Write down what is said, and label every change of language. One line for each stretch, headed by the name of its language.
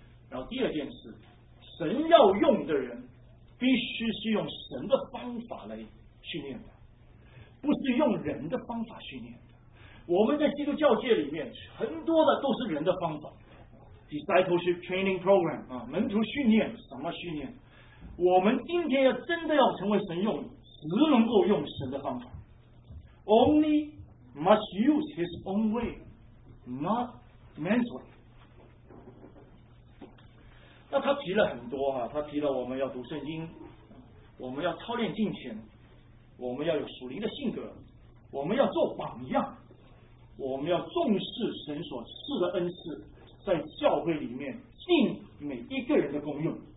Chinese: 然后第二件事，神要用的人必须是用神的方法来训练的，不是用人的方法训练的。我们在基督教界里面很多的都是人的方法，
English: discipleship training program
Chinese: 啊，门徒训练，什么训练？我们今天要真的要成为神用，只能够用神的方法，
English: only must use his own way, not man's way.
Chinese: 那他提了很多啊，他提了我们要读圣经，我们要操练敬虔，我们要有属灵的性格，我们要做榜样，我们要重视神所赐的恩赐，在教会里面尽每一个人的功用。